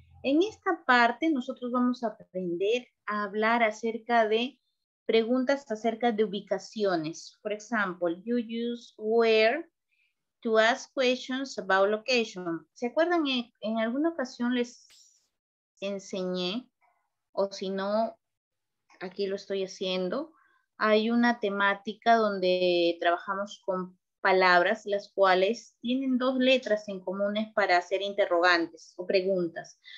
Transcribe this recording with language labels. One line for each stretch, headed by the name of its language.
Spanish: En esta parte nosotros vamos a aprender a hablar acerca de preguntas acerca de ubicaciones.
English: For example, you use where to ask questions about location.
Spanish: ¿Se acuerdan? En alguna ocasión les enseñé, o si no, aquí lo estoy haciendo. Hay una temática donde trabajamos con palabras, las cuales tienen dos letras en comunes para hacer interrogantes o preguntas.